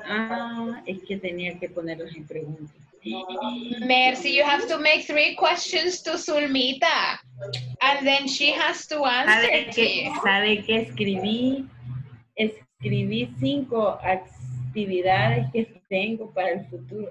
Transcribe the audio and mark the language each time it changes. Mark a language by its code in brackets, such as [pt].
[es] Ah, es que tenía que ponerlos en pregunta. [en] Mercy, you have to make three questions to Zulmita. And then she has to answer. [es] ¿Sabe qué escribí? Escribí cinco actividades que tengo para el futuro.